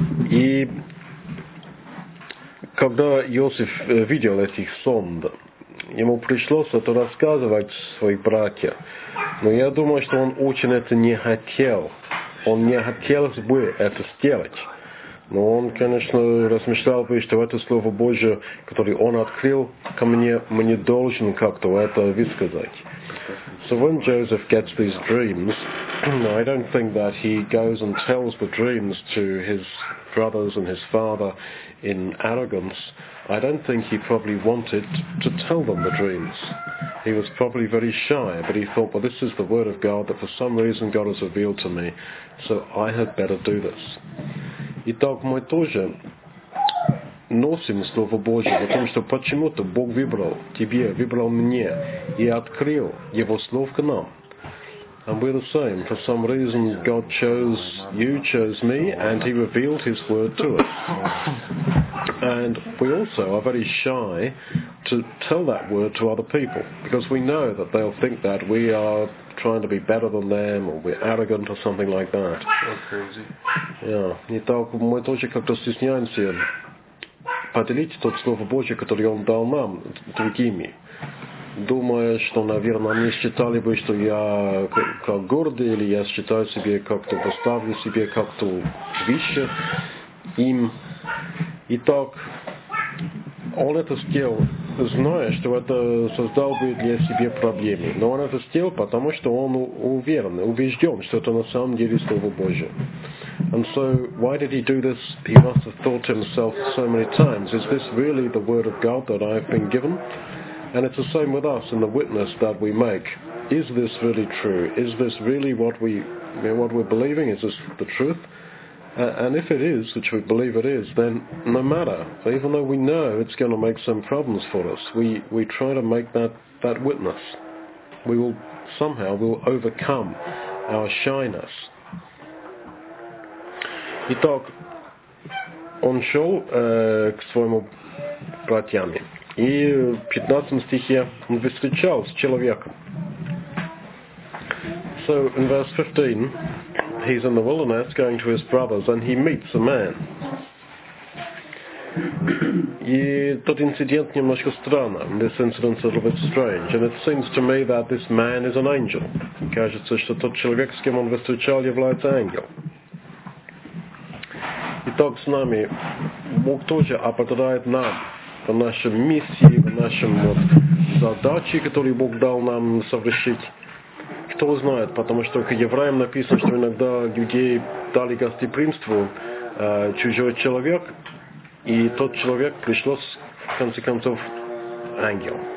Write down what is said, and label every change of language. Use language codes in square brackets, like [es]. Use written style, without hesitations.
[ru] И когда Иосиф видел этих сон, ему пришлось это рассказывать своим братьям. Но я думаю, что он очень это не хотел. Он не хотел бы это сделать. Но он, конечно, размышлял бы, что это Слово Божие, которое он открыл ко мне должен как-то это высказать. [en] So when Joseph gets these dreams, I don't think that he goes and tells the dreams to his brothers and his father in arrogance. I don't think he probably wanted to tell them the dreams. He was probably very shy, but he thought, well, this is the word of God that for some reason God has revealed to me, so I had better do this. [ru] Итак, мы тоже носим Слово Божие, потому что почему-то Бог выбрал тебе, выбрал мне и открыл Его Слово к нам. [en] And we're the same. For some reason, God chose you, chose me, and He revealed His Word to us. And we also are very shy to tell that Word to other people, because we know that they'll think that we are trying to be better than them, or we're arrogant, or something like that. [ru] Итак, мы тоже как-то стесняемся поделить тот Слово Божие, которое Он дал нам, другими. Думая, что, наверное, они считали бы, что я как гордый, или я считаю себе как-то, поставлю себе как-то выше им. Итак, он это сделал, зная, что это создал бы для себя проблемы. Но он это сделал, потому что он уверен, убежден, что это на самом деле Слово Божие. [en] And so, why did he do this? He must have thought to himself so many times, is this really the word of God that I've been given? And it's the same with us in the witness that we make. Is this really true? Is this really what we're believing? Is this the truth? And if it is, which we believe it is, then no matter. Even though we know it's going to make some problems for us, we try to make that witness. We will somehow overcome our shyness. [ru] Итак, он шел к своему братьями. И в 15 стихе он встречался с человеком. [en] So in verse 15, he's in the wilderness going to his brothers and he meets a man. [ru] И тот инцидент немножко странно. [en] This incident's a little bit strange. And it seems to me that this man is an angel. [ru] Кажется, что тот человек, с кем он встречал, является ангел. Итак, с нами Бог тоже ободряет нам в нашей миссии, в нашем вот задаче, которую Бог дал нам совершить. Кто знает, потому что к евреям написано, что иногда людей дали гостеприимству чужой человек, и тот человек пришлось, в конце концов, ангел.